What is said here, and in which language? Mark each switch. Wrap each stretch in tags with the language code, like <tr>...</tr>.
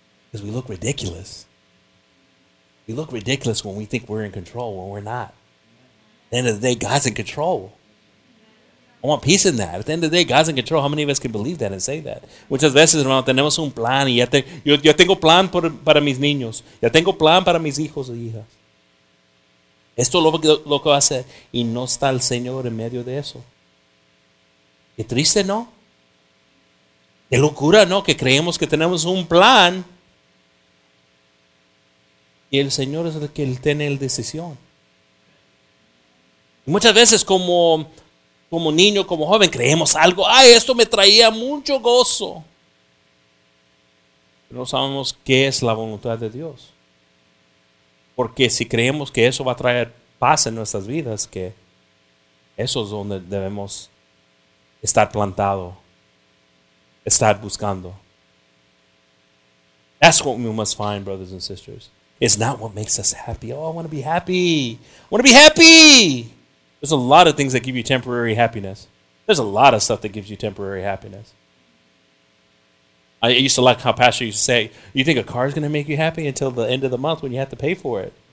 <en>Because we look ridiculous. We look ridiculous when we think we're in control when we're not. At the end of the day, God's in control. I want peace in that. At the end of the day, God's in control. How many of us can believe that and say that?</en> <es>Muchas veces, hermano, tenemos un plan. Y yo tengo plan para mis niños. Ya tengo plan para mis hijos e hijas. Esto es lo que va a hacer. Y no está el Señor en medio de eso. Qué triste, ¿no? Qué locura, ¿no? Que creemos que tenemos un plan. Y el Señor es el que tiene la decisión. Y muchas veces como niño, como joven, creemos algo. Ay, esto me traía mucho gozo. Pero no sabemos qué es la voluntad de Dios. Porque si creemos que eso va a traer paz en nuestras vidas, que eso es donde debemos estar plantado, estar buscando.</es> <en>That's what we must find, brothers and sisters. It's not what makes us happy. Oh, I want to be happy. I want to be happy. There's a lot of things that give you temporary happiness. There's a lot of stuff that gives you temporary happiness. I used to like how Pastor used to say, you think a car is going to make you happy until the end of the month when you have to pay for it?</en>